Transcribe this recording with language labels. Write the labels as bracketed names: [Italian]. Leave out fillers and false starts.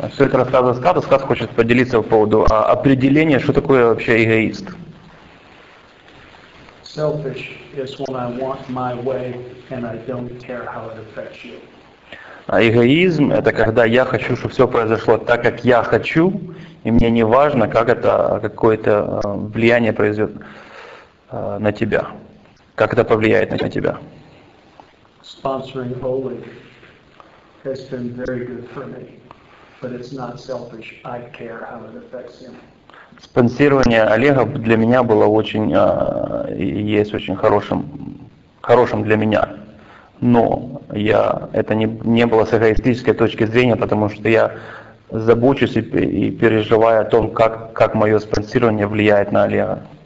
[Russian] Все это рассказывает Скат, и Скат хочет поделиться по поводу определения, что такое вообще эгоист. [English] Selfish is when I want my way and I don't care how it affects you. [Russian] А эгоизм – это когда я хочу, чтобы все произошло так, как я хочу, и мне не важно, как это какое-то влияние произведет на тебя, как это повлияет на тебя. [English] Sponsoring Holy has been very good for me, but it's not selfish. I care how it affects him. [Russian] Спонсирование Олега для меня было очень, есть очень хорошим для меня. Но я это не было с эгоистической точки зрения, потому что я забочусь и переживаю о том, как мое спонсирование влияет на Олега.